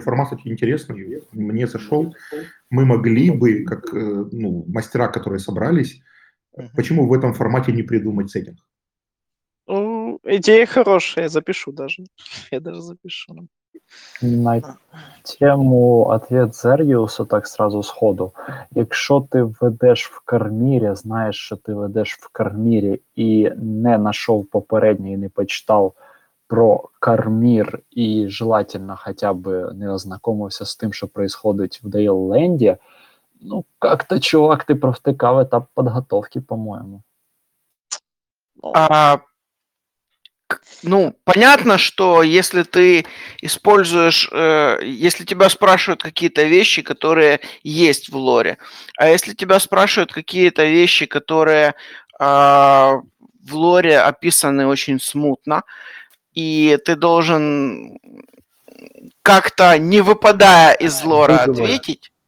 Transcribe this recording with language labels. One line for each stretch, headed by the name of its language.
Russian: Формат очень интересный. Мне зашел. Мы могли бы, как мастера, которые собрались, почему в этом формате не придумать сеттинг? Идея хорошая, я даже запишу. На тему ответ Зергіуса так сразу сходу.
Ukrainian: Якщо ти ведеш в Кармірі, знаєш, що ти ведеш в Кармірі і не знайшов попередній, не почитав про Кармір і, желательно, хоча б не ознайомився з тим, що відбувається в Дейлленді, ну, як-то, чувак, ти провтикав етап підготовки, по-моєму.
Russian: Ну, понятно, что если ты используешь, если тебя спрашивают какие-то вещи, которые есть в лоре, а если тебя спрашивают какие-то вещи, которые в лоре описаны очень смутно, и ты должен как-то, не выпадая из лора, ответить.